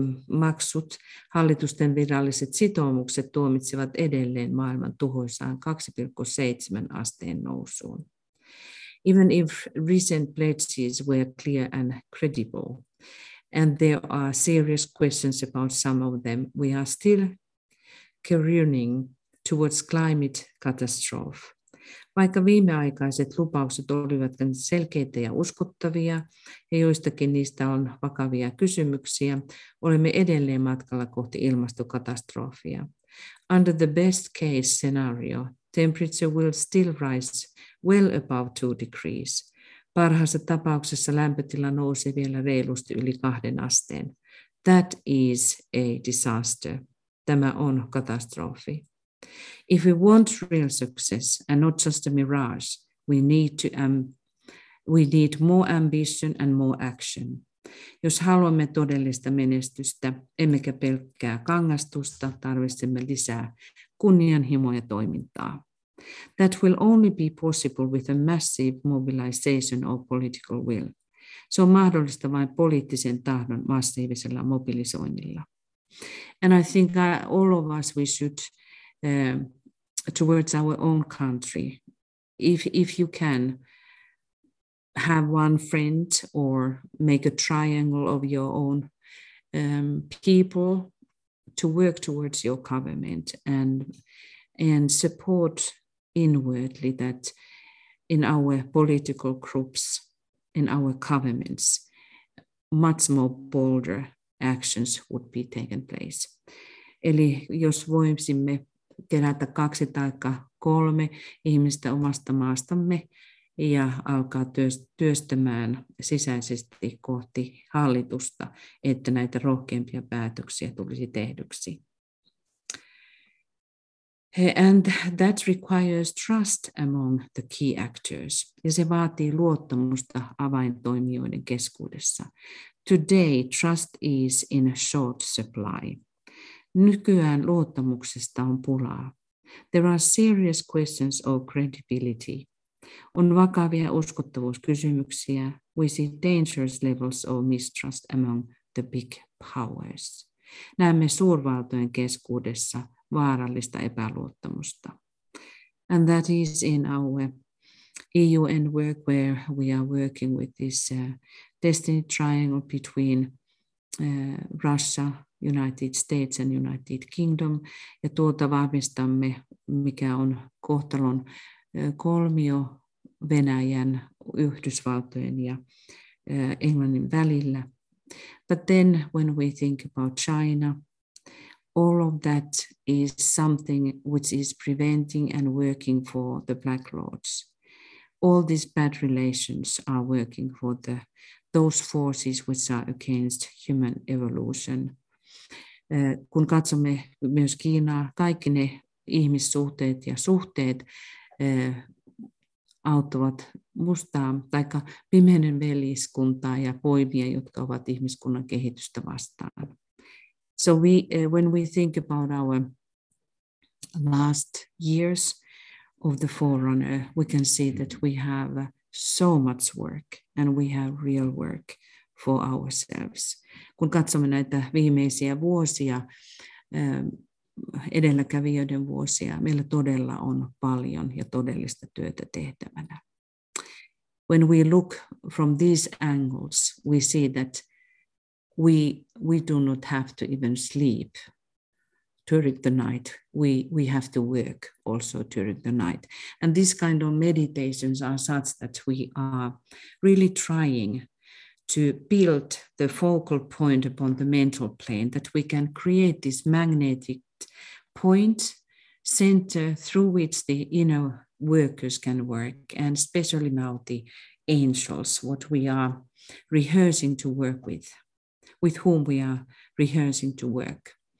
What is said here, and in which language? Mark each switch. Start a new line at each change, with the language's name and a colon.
Finnish: maksut. Hallitusten viralliset sitoumukset tuomitsivat edelleen maailman tuhoisaan 2,7 asteen nousuun.
English: Even if recent pledges were clear and credible, and there are serious questions about some of them, we are still careening towards climate catastrophe.
Finnish: Vaikka viimeaikaiset lupaukset olivat selkeitä ja uskottavia, ja joistakin niistä on vakavia kysymyksiä, olemme edelleen matkalla kohti ilmastokatastrofia.
English: Under the best case scenario, temperature will still rise well above 2 degrees.
Finnish: Parhaassa tapauksessa lämpötila nousee vielä reilusti yli 2 asteen.
English: That is a disaster.
Finnish: Tämä on katastrofi.
English: If we want real success and not just a mirage, we need more ambition and more action.
Finnish: Jos haluamme todellista menestystä, emmekä pelkkää kangastusta, tarvitsemme lisää kunnianhimoa ja toimintaa.
English: That will only be possible with a massive mobilization of political will.
Finnish: Se on mahdollista vain poliittisen tahdon massiivisella mobilisoinnilla.
English: And I think all of us, we should towards our own country. If you can have one friend or make a triangle of your own people to work towards your government and support inwardly that in our political groups, in our governments, much more bolder actions would be taken place.
Finnish: Eli jos voisimme kerätä 2 tai 3 ihmistä omasta maastamme ja alkaa työstämään sisäisesti kohti hallitusta, että näitä rohkeampia päätöksiä tulisi tehdyksi.
English: And that requires trust among the key actors.
Finnish: Ja se vaatii luottamusta avaintoimijoiden keskuudessa.
English: Today trust is in a short supply.
Finnish: Nykyään luottamuksesta on pulaa.
English: There are serious questions of credibility.
Finnish: On vakavia uskottavuuskysymyksiä.
English: We see dangerous levels of mistrust among the big powers.
Finnish: Näemme suurvaltojen keskuudessa vaarallista epäluottamusta.
English: And that is in our EUN work where we are working with this destiny triangle between Russia, United States and United Kingdom,
Finnish: ja tuota vahvistamme, mikä on kohtalon kolmio Venäjän, Yhdysvaltojen ja Englannin välillä.
English: But then when we think about China, all of that is something which is preventing and working for the Black Lords. All these bad relations are working for those forces which are against human evolution.
Finnish: Kun katsomme myös Kiinaa, kaikki ne ihmissuhteet ja suhteet auttavat mustaa, taikka pimeinen veljeskuntaa ja poimia, jotka ovat ihmiskunnan kehitystä vastaan.
English: So when we think about our last years of the forerunner, we can see that we have so much work and we have real work for ourselves.
Finnish: Kun katsomme näitä viimeisiä vuosia, edelläkävijöiden vuosia, meillä todella on paljon ja todellista työtä tehtävänä.
English: When we look from these angles, we see that we do not have to even sleep during the night. We have to work also during the night. And these kind of meditations are such that we are really trying to build the focal point upon the mental plane, that we can create this magnetic point center through which the inner workers can work, and especially now the angels, what we are rehearsing to work with whom we are rehearsing to work.